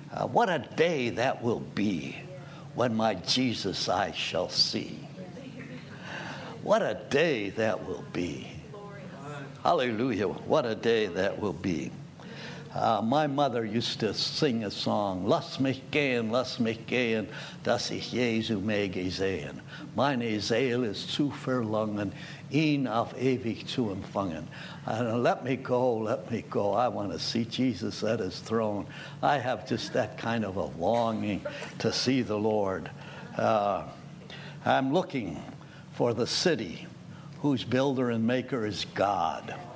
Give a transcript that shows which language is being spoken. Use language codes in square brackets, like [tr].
[en] What a day that will be when my Jesus I shall see. What a day that will be. Hallelujah. What a day that will be. My mother used to sing a song. [de] Lass mich gehen, dass ich Jesu mege sehen. Meine Seele ist zu verlangen, ihn auf ewig zu empfangen. [en] Let me go, let me go. I want to see Jesus at his throne. I have just that kind of a longing to see the Lord. I'm looking for the city whose builder and maker is God.